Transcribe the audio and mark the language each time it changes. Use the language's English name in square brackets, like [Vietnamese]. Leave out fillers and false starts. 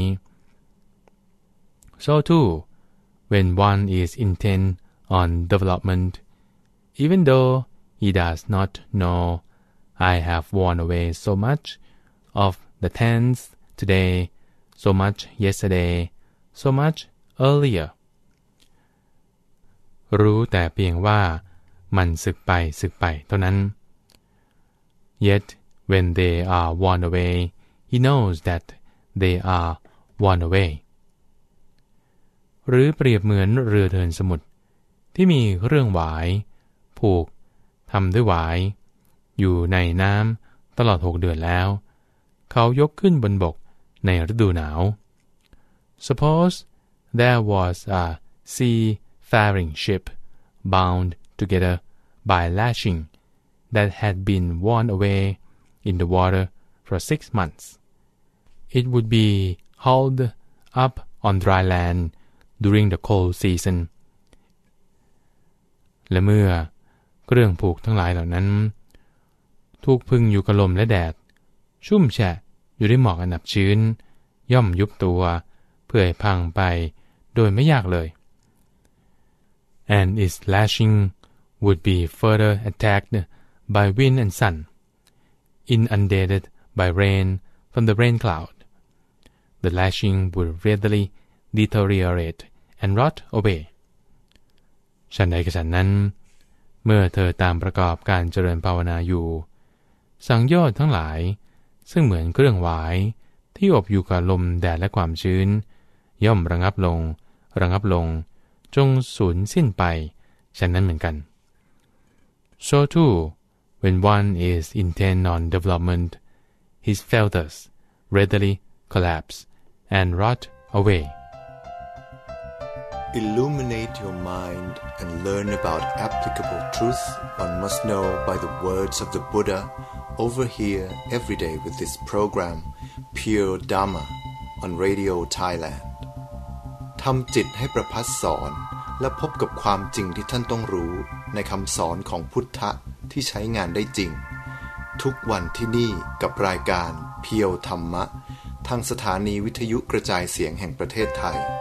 [English] So too, when one is intent on development, even though he does not know, I have worn away so much of the tense today, so much yesterday, so much earlier. [Thai] รู้แต่เพียงว่ามันสึกไปสึกไปเท่านั้น [English] Yet when they are worn away he knows that they are worn away [Thai] หรือเปรียบเหมือนเรือเทินสมุทรที่มีเครื่องหวายผูกทำด้วยหวายอยู่ในน้ำตลอด6เดือนแล้วเขายกขึ้นบนบกในฤดูหนาว [English] Suppose there was a seafaring ship bound together by lashing that had been worn away in the water for 6 months. It would be hauled up on dry land during the cold season. [Thai] และเมื่อเครื่องผูกทั้งหลายเหล่านั้นถูกพึงอยู่กับลมและแดดชุ่มแฉะอยู่ในหมอกอันหนับชื้นย่อมยุบตัวเพื่อให้พังไปโดยไม่ยากเลย [English] And its lashing would be further attacked by wind and sun, inundated by rain from the rain cloud. The lashing would readily deteriorate and rot away. [Thai] ฉันใดกับฉันนั้นเมื่อเธอตามประกอบการเจริญภาวนาอยู่สังโยชน์ทั้งหลายซึ่งเหมือนเครื่องหวายที่อบอยู่กับลมแดดและความชื้นย่อมระงับลงระงับลงจงสูญสิ้นไปฉันนั้นเหมือนกัน [English] So too, when one is intent on development, his feathers readily collapse and rot away. Illuminate your mind and learn about applicable truth one must know by the words of the Buddha over here every day with this program, Pure Dharma, on Radio Thailand. [Thai] ทำจิตให้ประพัสสอนและพบกับความจริงที่ท่านต้องรู้ในคำสอนของพุทธะที่ใช้งานได้จริงทุกวันที่นี่กับรายการเพียวธรรมะทางสถานีวิทยุกระจายเสียงแห่งประเทศไทย